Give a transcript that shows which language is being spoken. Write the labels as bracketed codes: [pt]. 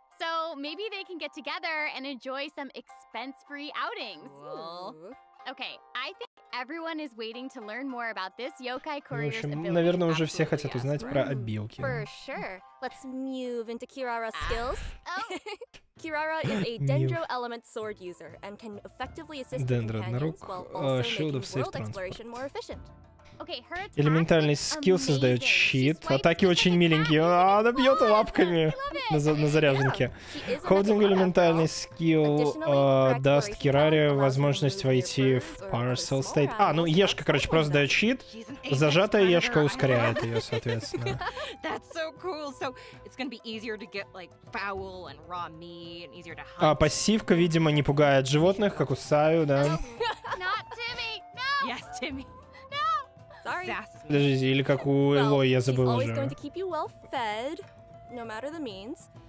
[en] So maybe they can get together and enjoy some expense-free outings. Cool. Okay, I think everyone is waiting to learn more about this yokai courier's ability. [ru] В общем, наверное, уже все хотят узнать про обилки. [en] For sure. Let's move into Kirara's skills. Kirara is a dendro element sword user and can effectively assist companions while also shield of safe transport. More efficient. Okay, her attack. [ru] Элементальный скилл создает щит. Атаки очень миленькие. Она бьет лапками на заряженке. Холдинг элементальный скилл даст Кираре возможность войти в Parcel State. А, ну Ешка, короче, просто дает щит. Зажатая Ешка ускоряет ее, соответственно. [en] That's so cool. So it's gonna be easier to get like fowl and raw meat and easier to hunt. [ru] А пассивка, видимо, не пугает животных, как у Саю, да. [en] Not Timmy. No. Yes, Timmy. Sorry. [ru] Подождите, или как у Элой, я забыл уже. [en] Always going to keep you well fed, no matter the means.